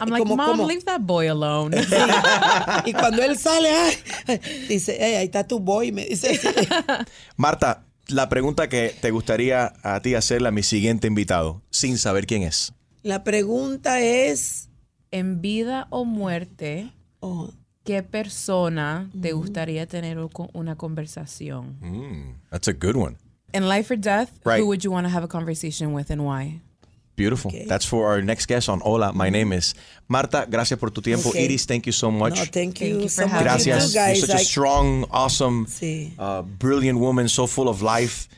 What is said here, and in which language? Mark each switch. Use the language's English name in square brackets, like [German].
[English] I'm like, [Spanish] como, [English] mom, leave that boy alone. [Spanish] Y cuando él sale, dice, [English] hey, [Spanish] ahí está tu [English] boy. [Spanish] Me dice, sí. Marta, la pregunta que te gustaría a ti hacerle a mi siguiente invitado, sin saber quién es. La pregunta es, en vida o muerte, ¿qué persona te gustaría tener una conversación? [English] That's a good one. In life or death, right. Who would you want to have a conversation with and why? Beautiful. Okay. That's for our next guest on Hola, My Name Is. Marta, [Spanish] gracias por tu tiempo. [English] Okay. Iris, thank you so much. No, thank you for having [Spanish] gracias. [English] Me. [Spanish] Gracias. [English] You're such a strong, awesome, brilliant woman, so full of life.